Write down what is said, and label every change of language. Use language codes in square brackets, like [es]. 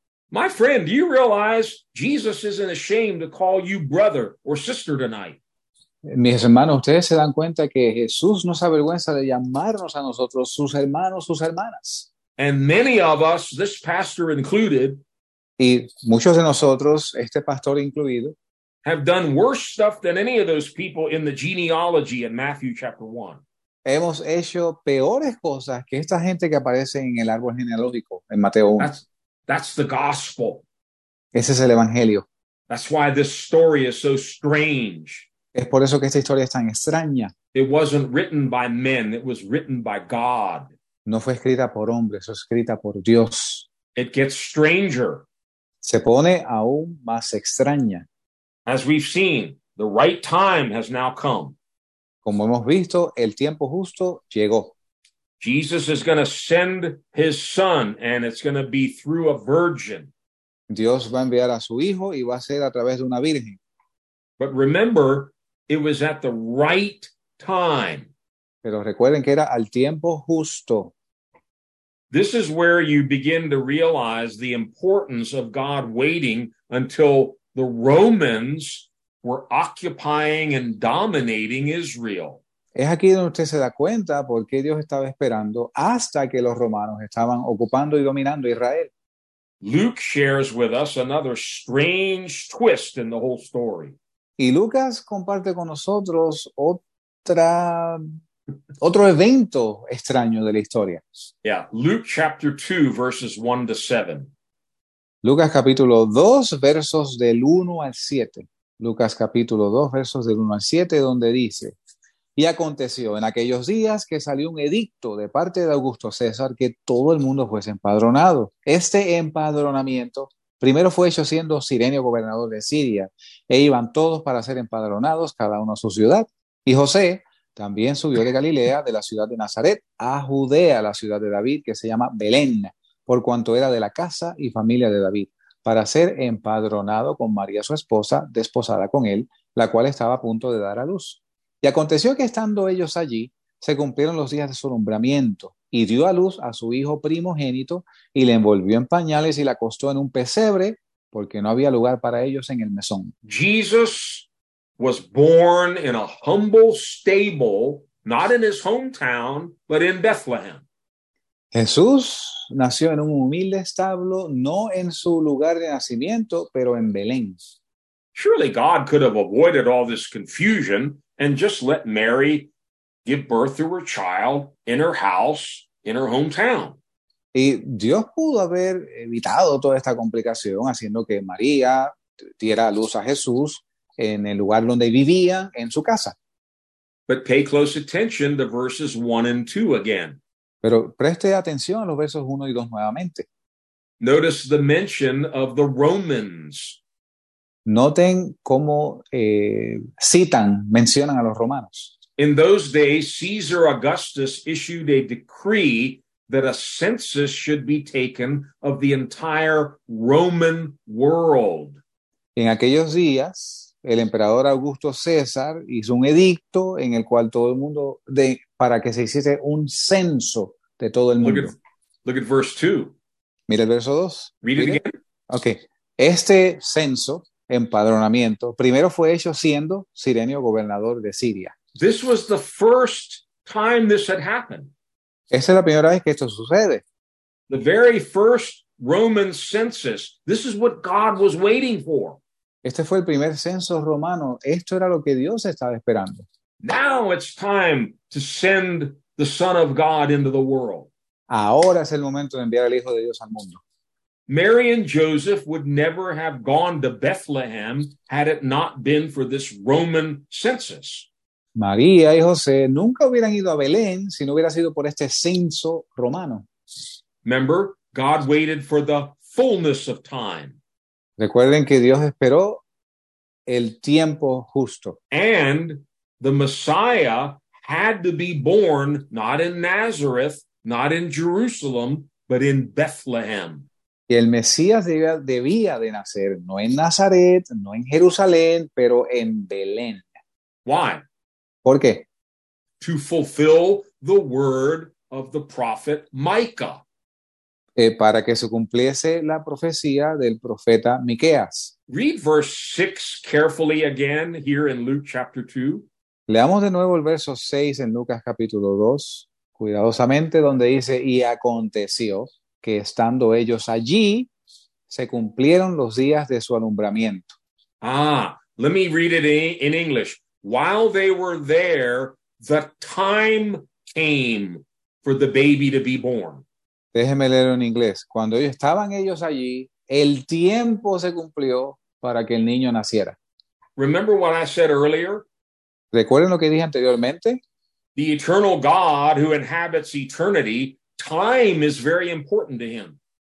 [en] My friend, do you realize Jesus isn't ashamed to call you brother or sister tonight? [es] Mis hermanos, ustedes se dan cuenta que Jesús no se avergüenza de llamarnos a nosotros sus hermanos, sus hermanas. [en] And many of us, this pastor included, [es] y muchos de nosotros, este pastor incluido, [en] have done worse stuff than any of those people in the genealogy in Matthew chapter 1. [es] Hemos hecho peores cosas que esta gente que aparece en el árbol genealógico en Mateo 1. [en] That's the gospel. [es] Ese es el evangelio. [en] That's why this story is so strange. [es] Es por eso que esta historia es tan extraña. [en] It wasn't written by men, it was written by God. [es] No fue escrita por hombres, fue escrita por Dios. [en] It gets stranger. [es] Se pone aún más extraña. [en] As we've seen, the right time has now come. [es] Como hemos visto, el tiempo justo llegó. [en] Jesus is going to send his son and it's going to be through a virgin. [es] Dios va a enviar a su hijo y va a ser a través de una virgen. [en] But remember, it was at the right time. [es] Pero recuerden que era al tiempo justo. [en] This is where you begin to realize the importance of God waiting until the Romans were occupying and dominating Israel. [es] Es aquí donde usted se da cuenta por qué Dios estaba esperando hasta que los romanos estaban ocupando y dominando Israel. [en] Luke shares with us another strange twist in the whole story. [es] Y Lucas comparte con nosotros otro evento extraño de la historia. [en] Yeah, Luke chapter 2, verses 1 to 7. [es] Lucas capítulo 2, versos del 1 al 7. Lucas capítulo 2, versos del 1 al 7, donde dice: Y aconteció en aquellos días que salió un edicto de parte de Augusto César que todo el mundo fuese empadronado. Este empadronamiento primero fue hecho siendo Cirenio gobernador de Siria, e iban todos para ser empadronados, cada uno a su ciudad. Y José también subió de Galilea, de la ciudad de Nazaret, a Judea, la ciudad de David, que se llama Belén, por cuanto era de la casa y familia de David, para ser empadronado con María, su esposa, desposada con él, la cual estaba a punto de dar a luz. Y aconteció que estando ellos allí, se cumplieron los días de su alumbramiento, y dio a luz a su hijo primogénito, y le envolvió en pañales y le acostó en un pesebre, porque no había lugar para ellos en el mesón. [en] Jesus was born in a humble stable, not in his hometown, but in Bethlehem. [es] Jesús nació en un humilde establo, no en su lugar de nacimiento, pero en Belén. [en] Surely God could have avoided all this confusion and just let Mary give birth to her child in her house, in her hometown. [es] Y Dios pudo haber evitado toda esta complicación haciendo que María diera luz a Jesús en el lugar donde vivía, en su casa. [en] But pay close attention to verses 1 and 2 again. [es] Pero preste atención a los versos 1 y 2 nuevamente. [en] Notice the mention of the Romans. [es] Noten cómo mencionan a los romanos. [en] In those days, Caesar Augustus issued a decree that a census should be taken of the entire Roman world. [es] En aquellos días, el emperador Augusto César hizo un edicto en el cual todo el mundo para que se hiciese un censo de todo el mundo. [en] Look at verse 2. [es] Mira el verso 2. [en] Read it again. Okay. [es] Este censo, empadronamiento, primero fue hecho siendo Cirenio gobernador de Siria. [en] This was the first time this had happened. [es] Esta es la primera vez que esto sucede. [en] The very first Roman census. This is what God was waiting for. [es] Este fue el primer censo romano. Esto era lo que Dios estaba esperando. [en] Now it's time to send the Son of God into the world. [es] Ahora es el momento de enviar al Hijo de Dios al mundo. [en] Mary and Joseph would never have gone to Bethlehem had it not been for this Roman census. [es] María y José nunca hubieran ido a Belén si no hubiera sido por este censo romano. [en] Remember, God waited for the fullness of time. [es] Recuerden que Dios esperó el tiempo justo. [en] And the Messiah had to be born not in Nazareth, not in Jerusalem, but in Bethlehem. [es] Y el Mesías debía de nacer no en Nazaret, no en Jerusalén, pero en Belén. [en] Why? [es] ¿Por qué? [en] To fulfill the word of the prophet Micah. [es] Para que se cumpliese la profecía del profeta Miqueas. [en] Read verse 6 carefully again here in Luke chapter 2. [es] Leamos de nuevo el verso 6 en Lucas capítulo 2, cuidadosamente, donde dice: Y aconteció que estando ellos allí, se cumplieron los días de su alumbramiento. [en] Ah, let me read it in English. While they were there, the time came for the baby to be born. [es] Déjeme leerlo en inglés. Cuando estaban ellos allí, el tiempo se cumplió para que el niño naciera. [en] Remember what I said earlier? [es] ¿Recuerden lo que dije anteriormente? [en] The eternal God who inhabits eternity, time is very important to him.